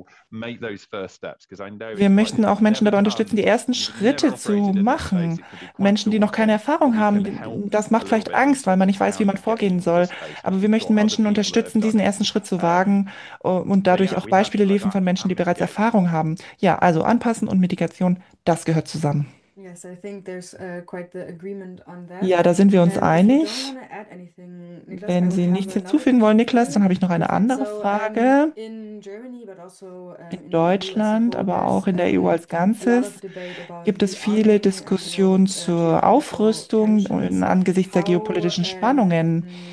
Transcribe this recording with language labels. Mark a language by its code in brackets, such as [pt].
[de] Wir möchten auch Menschen dabei unterstützen, die ersten Schritte zu machen. Menschen, die noch keine Erfahrung haben, das macht vielleicht Angst, weil man nicht weiß, wie man vorgehen soll. Aber wir möchten Menschen unterstützen, diesen ersten Schritt zu wagen und dadurch auch Beispiele liefern von Menschen, die bereits Erfahrung haben. Ja, also anpassen und Mitigation, das gehört zusammen. [en] Yes, I think there's quite the agreement on that. [de] Ja, da sind wir uns einig. Wenn Sie nichts hinzufügen wollen, Niklas, dann habe ich noch eine andere Frage. In Deutschland, aber auch in der EU als Ganzes, gibt es viele Diskussionen zur Aufrüstung angesichts der geopolitischen Spannungen.